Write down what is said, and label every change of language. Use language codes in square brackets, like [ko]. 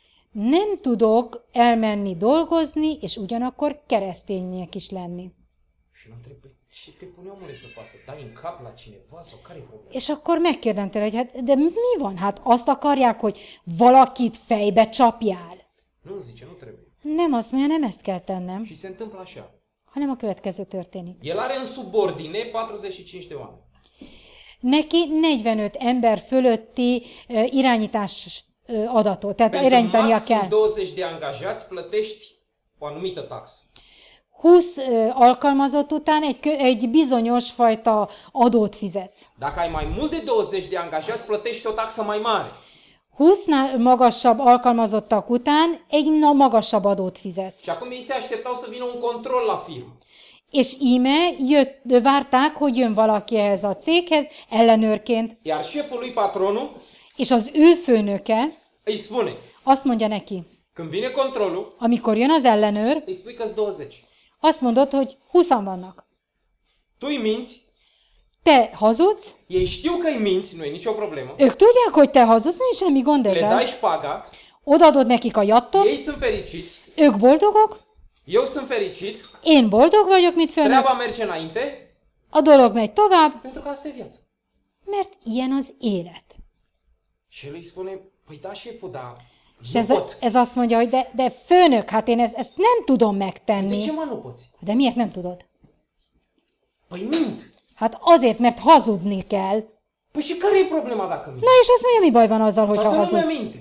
[hu] Nem tudok elmenni dolgozni és ugyanakkor kereszténynek is lenni. [ro] Și te pune omule să pasă, dai în cap la cineva, sau care-i problema? [hu] És akkor megkérdem tőle, hogy hát, de mi van? Hát azt akarják, hogy valakit fejbe csapjál. [ro] Nu, zice, nu trebuie. [hu] Nem, azt mondja, nem ezt kell tennem. [ro] Și se întâmplă așa. [hu] Hanem a következő történik. [ro] El are în subordine 45 de oameni. [hu] Neki 45 ember fölötti irányítás adatot, tehát irányítania kell. [ro] Pentru maxim 20 de angajați plătești o anumită taxă. [hu] 20 alkalmazott után egy bizonyos fajta adót fizetsz. [ro] Dacă ai mai mult de 20 de angajați, plătești o taxă mai mare. [hu] 20-nál magasabb alkalmazottak után egy magasabb adót fizetsz. [ro] Și acum ei se așteptau să vină un control la firmă. [hu] És íme várták, hogy jön valaki ehhez a céghez, ellenőrként. [ro] Iar șeful lui, patronul, [hu] és az ő főnöke, [ro] îi spune, [hu] azt mondja neki, [ro] când vine controlul, [hu] amikor jön az ellenőr, [ro] îi spui că-s 20. [hu] Azt mondod, hogy 20-an vannak. [ro] Tu-i minți? [hu] Te hazudsz? [ro] Ei știu că-i minți, nu e nicio problemă. [hu] Ők tudják, hogy te hazudsz, nincs semmi gond ezzel. [ro] Le dai spaga. [hu] Odaadod nekik a jattot. [ro] Ei sunt fericiți. [hu] Ők boldogok. [ro] Eu sunt fericit. [hu] Én boldog vagyok, mint főnök. [ro] Treaba merge înainte. [hu] A dolog megy tovább. [ro] Pentru că asta e viața. [hu] Mert ilyen az élet. [ro] Și el îi spune, păi da, șeful, da. [hu] És ez azt mondja, hogy de főnök, hát én ezt nem tudom megtenni. De miért nem tudod? Hát azért, mert hazudni kell. Na és azt mondja, mi baj van azzal, hogyha hazudsz?